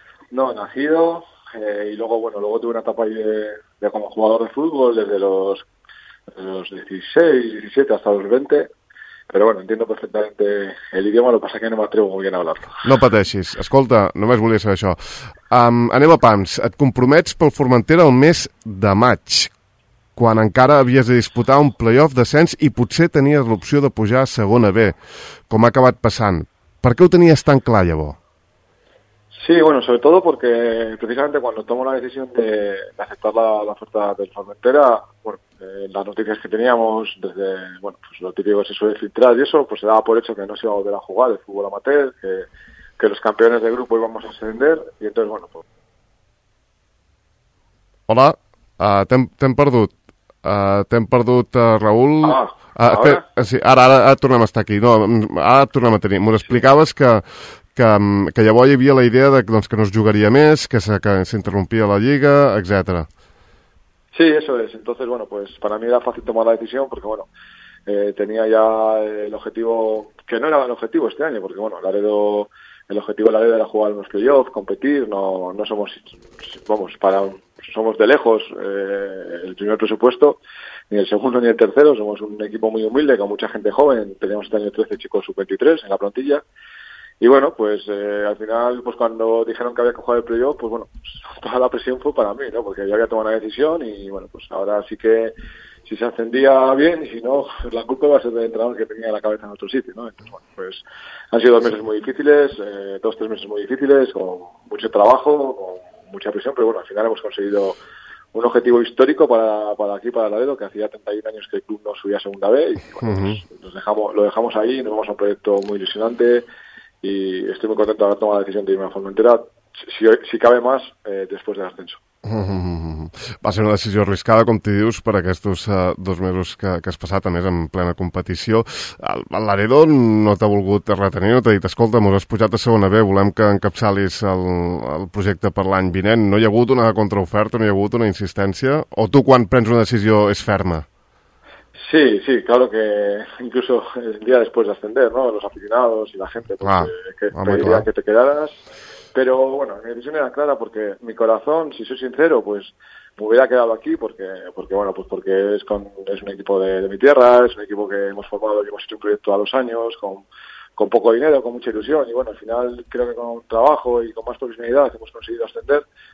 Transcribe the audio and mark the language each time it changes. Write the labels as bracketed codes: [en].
[es] No, nacido y luego, bueno, luego tuve una etapa ahí de como jugador de fútbol desde los 16, 17 hasta los 20. Pero bueno, entiendo perfectamente el idioma, lo que pasa es que no me atrevo muy bien a hablarlo. [ca] No pateixis. Escolta, només volia saber això. Anem a pams. Et compromets pel Formentera el mes de maig, quan encara havies de disputar un playoff d'ascens i potser tenies l'opció de pujar a segona B, com ha acabat passant. Per què ho tenies tan clar, llavors? [es] Sí, bueno, sobre todo porque precisamente cuando tomo la decisión de aceptar la oferta del Formentera, las noticias que teníamos desde, bueno, pues lo típico se suele filtrar y eso, pues se daba por hecho que no se iba a volver a jugar el fútbol amateur, que los campeones del grupo íbamos a ascender, y entonces, bueno, pues... [ca] Hola, t'hem perdut. T'hem perdut, Raúl. Ara tornem a estar aquí. No, ara tornem a tenir. M'ho explicaves que llavors hi havia la idea de, doncs, que no es jugaria més, que s'interrompia la Lliga, etc. [es] Sí, eso es. Entonces, bueno, pues para mí era fácil tomar la decisión porque, bueno, tenía ya el objetivo, que no era el objetivo este año, porque, bueno, el objetivo de la Laredo era jugar unos playoffs, competir, no somos, vamos, para un... Somos de lejos el primer presupuesto, ni el segundo ni el tercero. Somos un equipo muy humilde, con mucha gente joven. Teníamos este año 13 chicos sub-23 en la plantilla. Y bueno, pues al final, pues cuando dijeron que había que jugar el playoff, pues bueno, toda la presión fue para mí, ¿no? Porque yo había tomado una decisión y bueno, pues ahora sí que si se ascendía bien y si no, la culpa iba a ser del entrenador que tenía la cabeza en otro sitio, ¿no? Entonces, bueno, pues han sido dos meses muy difíciles, dos, tres meses muy difíciles, con mucho trabajo, con mucha presión, pero bueno, al final hemos conseguido un objetivo histórico para aquí, para Laredo, que hacía 31 años que el club no subía a segunda B, y bueno, pues lo dejamos ahí, nos vamos a un proyecto muy ilusionante, y estoy muy contento de haber tomado la decisión de irme a Formentera, si cabe más, después del ascenso. [ca] Va ser una decisió arriscada, com t'hi dius, per aquests dos mesos que has passat, a més, en plena competició. El Laredo no t'ha volgut retenir, no t'ha dit, escolta, mos has pujat a segona B, volem que encapçalis el projecte per l'any vinent. No hi ha hagut una contraoferta, no hi ha hagut una insistència? O tu, quan prens una decisió, és ferma? [es] Sí, sí, claro que incluso el día después de ascender, ¿no? Los aficionados y la gente, pues, pediría que te quedaras... Pero bueno, mi decisión era clara porque mi corazón, si soy sincero, pues me hubiera quedado aquí porque bueno, pues porque es un equipo de mi tierra, es un equipo que hemos formado, que hemos hecho un proyecto a los años, con poco dinero, con mucha ilusión, y bueno, al final creo que con trabajo y con más profesionalidad hemos conseguido ascender.